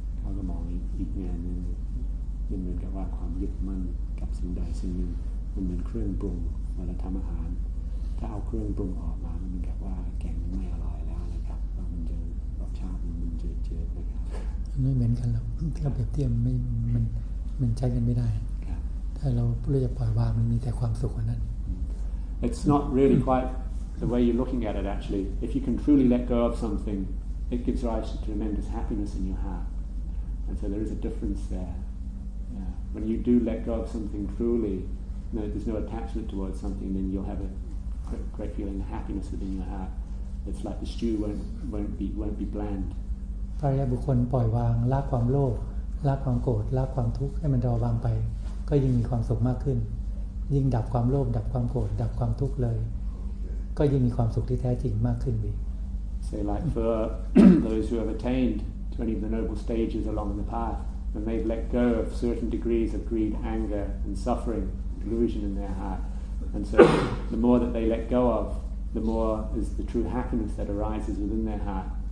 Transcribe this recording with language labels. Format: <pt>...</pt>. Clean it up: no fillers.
<th>ถ้าเรามองอีกแง่นึงยังเหมือนกับว่าความยึดมั่นกับสิ่งใดสิ่งหนึ่งมันเป็นเครื่องปรุงเวลาทำอาหารถ้าเอาเครื่องปรุงออกมามันเหมือนกับว่าแกงมันไม่อร่อยแล้วนะครับมันจะรสชาติมันจะเจือๆนะครับ ไม่เหมือนกันหรอกถ้าเปรียบเทียบมันใช้กันไม่ได้ ถ้าเราเพื่อจะปล่อยวางมันมีแต่ความสุขกว่านั้น</th> <en>It's not really quite the way you're looking at it actually. If you can truly let go of something, it gives rise to tremendous happiness in your heart. And so there is a difference there. Yeah. When you do let go of something truly, you know, there's no attachment towards something, then you'll have a great feeling of happiness within your heart. It's like the stew won't be bland.</en> <th>ปล่อยบุคคลปล่อยวางละความโลภละความโกรธละความทุกข์ให้มันเบาบางไปก็ยิ่งมีความสุขมากขึ้นยิ่งดับความโลภดับความโกรธดับความทุกข์เลยก็ยิ่งมีความสุขที่แท้จริงมากขึ้นไป</th> <en>Say like for those who have attainedany of the noble stages along the path, when they've let go of certain degrees of greed, anger, and suffering, delusion in their heart. And so the more that they let go of, the more is the true happiness that arises within their heart.</en>